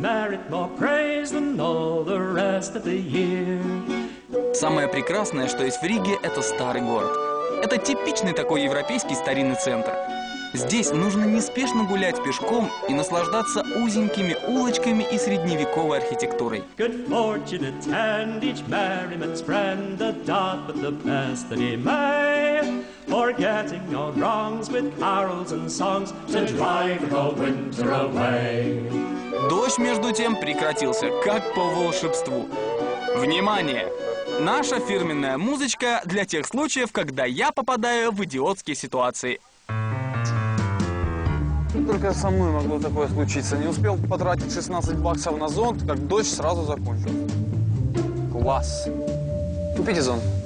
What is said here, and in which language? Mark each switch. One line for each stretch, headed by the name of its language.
English: merit more praise than all the rest of the year.
Russian: Самое прекрасное, что есть в Риге, это старый город. Это типичный такой европейский старинный центр. Здесь нужно неспешно гулять пешком и наслаждаться узенькими улочками и средневековой архитектурой.
English: Good fortune attend each merriment's friend, the dart but the best that he may, forgetting your wrongs with carols and songs to drive the winter away.
Russian: Дождь, между тем, прекратился, как по волшебству. Внимание! Наша фирменная музычка для тех случаев, когда я попадаю в идиотские ситуации. Только со мной могло такое случиться. Не успел потратить 16 баксов на зонт, как дождь сразу закончился. Класс. Купите зонт.